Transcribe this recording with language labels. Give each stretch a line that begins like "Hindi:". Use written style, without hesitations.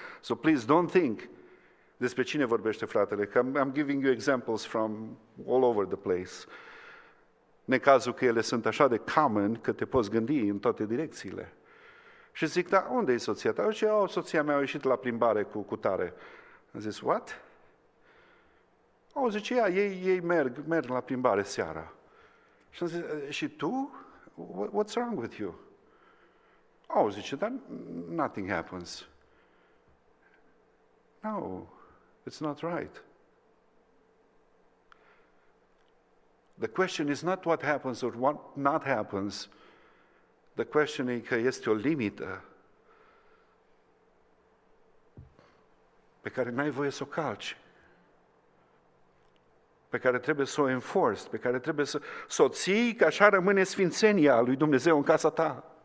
English: So please don't think
Romanian: despre cine vorbește fratele, că
English: I'm giving you examples from all over the place.
Romanian: Necazul că ele sunt așa de common că te poți gândi în toate direcțiile. Și zic, da, unde e soția ta? Zice, oh, soția mea a ieșit la plimbare cu cutare. Am zis, what? Oh, zice, ia, ei merg la plimbare seara. Și am zis, și tu?
English: What's wrong with you?
Romanian: Oh, zice, dar
English: nothing happens. No, it's not right. The question is not what happens or what not happens. The question is
Romanian: că este o limită pe care n-ai voie să o calci, pe care trebuie să o enforce, pe care trebuie să o ții, că așa rămâne sfințenia lui Dumnezeu în casa ta.